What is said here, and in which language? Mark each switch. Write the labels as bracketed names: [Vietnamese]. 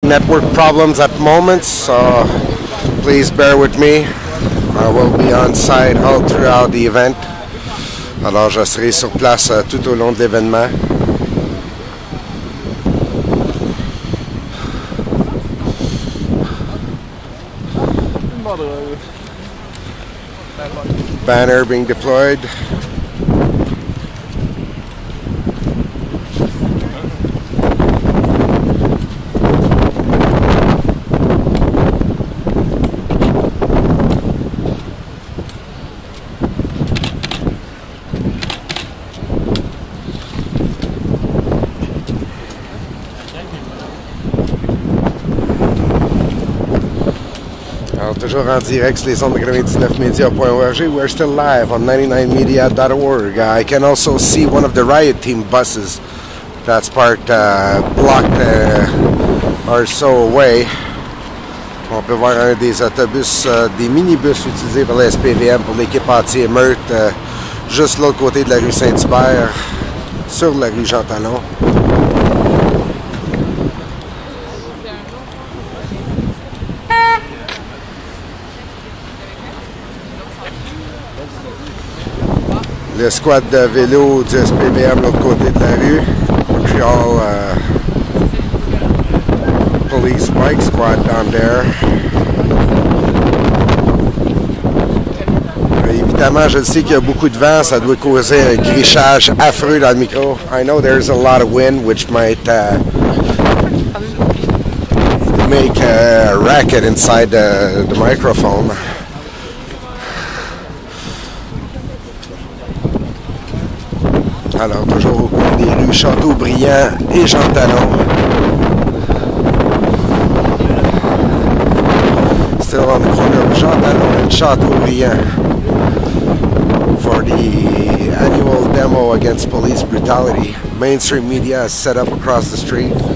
[English] network problems at moments, so please bear with me. I will be on site all throughout the event. [French] Alors, je serai sur place tout au long de l'événement. [English] Banner being deployed. [French] Toujours en direct sur les ondes de 99media.org. [English] We're still live on 99media.org. I can also see one of the riot team buses that's parked blocked or so away. [French] On peut voir un des autobus, des minibus utilisés par la SPVM pour l'équipe anti-émeute juste l'autre côté de la rue Saint-Hubert sur la rue Jean-Talon. L'escouade de vélo du SPVM de l'autre côté de la rue. [English] Montreal police bike squad down there. [French] Et évidemment, je sais qu'il y a beaucoup de vent. Ça doit causer un grichage affreux dans le micro. [English] I know there's a lot of wind, which might make a racket inside the microphone. [French] Alors, toujours au coin des rues Châteaubriand et Jean-Talon. [English] Still on the corner of Jean-Talon and Châteaubriand for the annual demo against police brutality. Mainstream media is set up across the street.